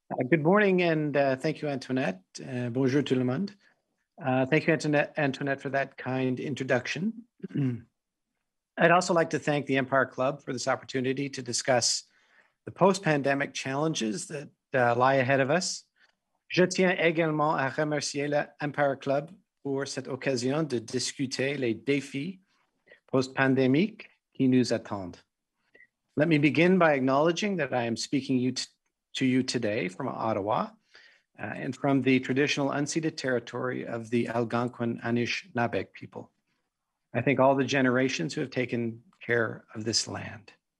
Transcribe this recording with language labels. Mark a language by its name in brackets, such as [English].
[English] Good morning, and thank you, Antoinette. [French] Bonjour tout le monde. [English] Thank you, Antoinette, for that kind introduction. I'd also like to thank the Empire Club for this opportunity to discuss the post-pandemic challenges that lie ahead of us. [French] Je tiens également à remercier l'Empire Club pour cette occasion de discuter les défis post-pandémiques qui nous attendent. [English] Let me begin by acknowledging that I am speaking to you today from Ottawa and from the traditional unceded territory of the Algonquin Anishinaabeg people. I thank all the generations who have taken care of this land.